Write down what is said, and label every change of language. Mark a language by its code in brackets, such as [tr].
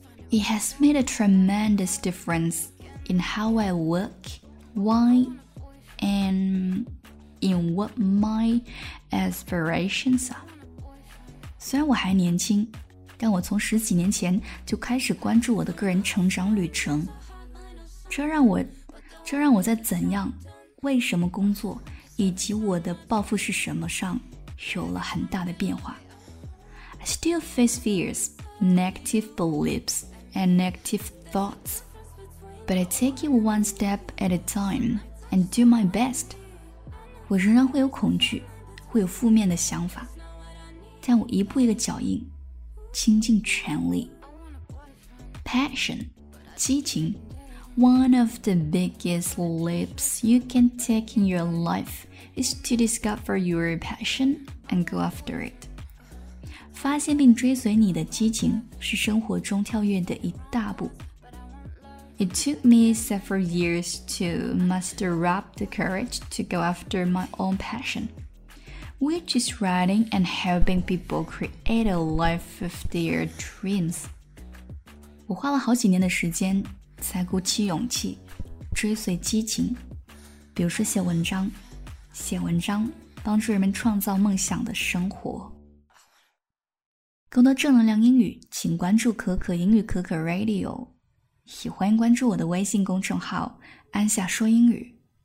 [en] It has made a tremendous difference in how I work, why, and in what my aspirations are. [zh] 虽然我还年轻，但我从十几年前就开始关注我的个人成长旅程，这让我在怎样、为什么工作以及我的抱负是什么上有了很大的变化。 [en] I still face fears, negative beliefs, and negative thoughts, but I take it one step at a time and do my best. [zh] 我仍然会有恐惧，会有负面的想法，但我一步一个脚印。倾尽全力 [en] Passion 激情 One of the biggest leaps you can take in your life is to discover your passion and go after it. [zh] 发现并追随你的激情是生活中跳跃的一大步。 [en] It took me several years to muster up the courage to go after my own passion. Which is writing and helping people create a life of their dreams. [zh] 我花了好几年的时间才鼓起勇气追随激情，比如说写文章，帮助人们创造梦想的生活。更多正能量英语，请关注可可英语可可 Radio， 也欢迎关注我的微信公众号安夏说英语。